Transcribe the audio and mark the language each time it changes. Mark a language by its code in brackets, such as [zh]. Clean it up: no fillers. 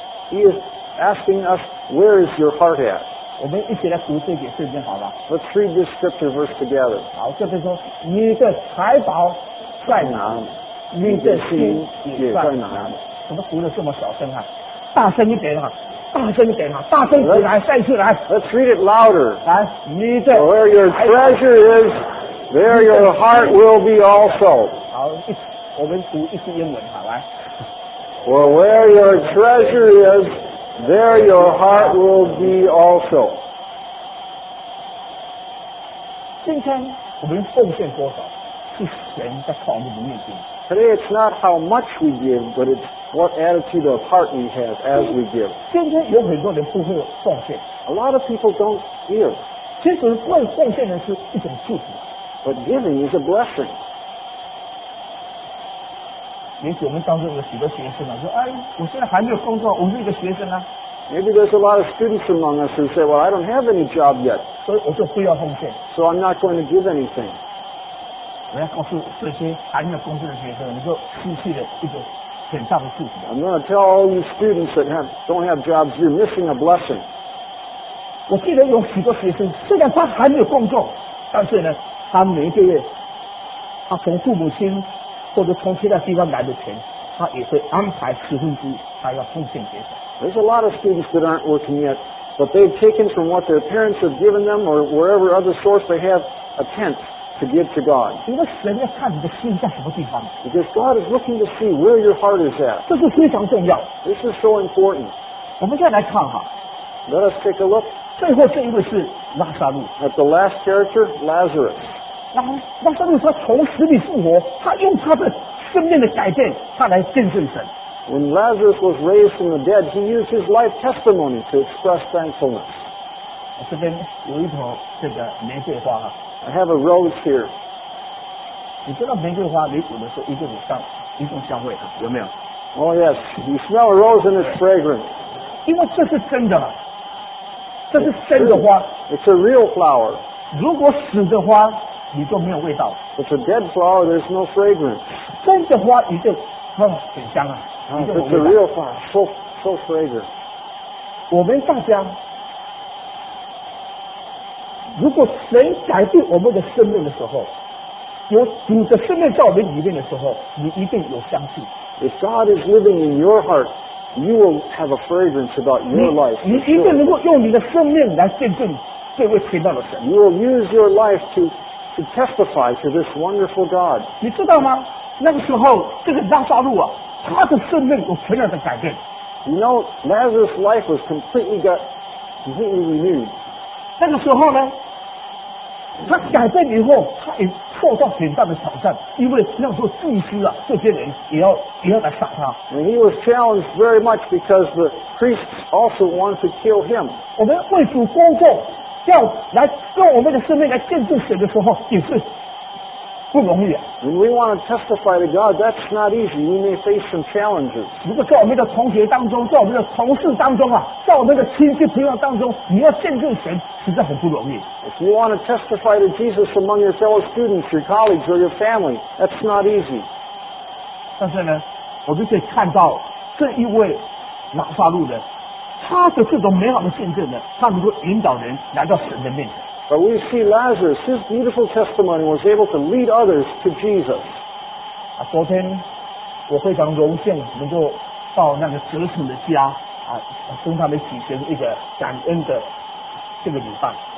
[en] ？He is asking us, where is your heart at? [zh] 我们一起来读这节圣经，好吧 [en] ？Let's read this scripture verse together. [zh] 好，这边说，你的财宝在哪？你的心也在哪？怎么读的这么小声啊？大声一点啊！大声一点啊，大声起来，再次来。 [en] Let's read it louder. [zh] 来，你的。 [en] So、where your treasure is, there your heart will be also. [zh] 好，我们读一句英文，好来。 [en] For where your treasure is, there your heart will be also. [zh] 今天我们奉献多少，是神在看我们的内心。 [en] Today it's not how much we give, but it's what attitude of heart we have as we give. [zh] 今天有很多人不会奉献。 [en] A lot of people don't give. [zh] 其实为奉献的是一种祝福。 [en] But giving is a blessing. [zh] 也许我们当中有许多学生啊，说哎，我现在还没有工作，我是一个学生啊。 [en] Maybe there's a lot of students among us who say, well, I don't have any job yet. [zh] 所以我就不要奉献。 [en] So I'm not going to give anything. [zh] 我要告诉这些还没有工作的学生，你说失去了一个很大的祝福。 [en] I'm going to tell all you students that have, don't have jobs, you're missing a blessing. [zh] 我记得有许多学生，虽然他还没有工作，但是呢，他每一个月，他从父母亲或者从其他地方来的钱，他也会安排十分之一，他要奉献给他。 [en] There's a lot of students that aren't working yet, but they've taken from what their parents have given them or wherever other source they have a tenth to give to God. [zh] 因为神要看你的心在什么地方。 [en] Because God is looking to see where your heart is at. [zh] 这是非常重要。 [en] This is so important. [zh] 我们再来看哈。 [en] Let us take a look. [zh] 最后这一位是拉撒路。 [en] At the last character, Lazarus. [zh] 那上面他从死里复活，他用他的生命的改变，他来见证神。 [en] When Lazarus was raised from the dead, he used his life testimony to express thankfulness. [zh] 我这边有一朵这个玫瑰花哈。 [en] I have a rose here. [zh] 你知道玫瑰花你闻的时候一定有香，一种香味啊，有没有 [en] ？Oh yes, you smell a rose and it's fragrant. [zh] 因为这是真的，这是真的花。 [en] It's a real flower. [zh] 如果死的花。你就没有味道。 [en] It's a dead flower, there's no fragrance. [zh] 真的花你就很香啊。 [en] It's a real flower, so fragrant. [zh] 我们大家如果神改变我们的生命的时候，有主的生命在我们里面的时候，你一定有香气。 [en] If God is living in your heart, you will have a fragrance about your life. 你一定能够用你的生命来见证这位奇妙的神。 You will use your life toTo testify to this wonderful God. [zh] 你知道吗？那个时候，这个拉撒路啊，他的生命有全然的改变。 [en] You know, Lazarus' life was completely renewed. [zh] 那个时候呢，他改变以后，他也受到很大的挑战，因为那时候祭司啊，这些人也要来杀他。 [en] And he was challenged very much because the priests also wanted to kill him. [zh] 我们为主工作。要来用我们的生命来见证神的时候，也是不容易啊。 [en] When we want to testify to God, that's not easy. We may face some challenges. [zh] 如果在我们的同学当中，在我们的同事当中啊，在我们的亲戚朋友当中，你要见证神，实在很不容易。 [en] If you want to testify to Jesus among your fellow students, your colleagues, or your family, that's not easy. [zh] 但是呢，我们可以看到这一位拉撒路的。他的这种美好的见证呢，他能够引导人来到神的面前。 [en] But we see Lazarus, his beautiful testimony was able to lead others to Jesus. [zh] 啊，昨天我非常荣幸能够到那个哲成的家啊，跟他们举行一个感恩的这个礼拜。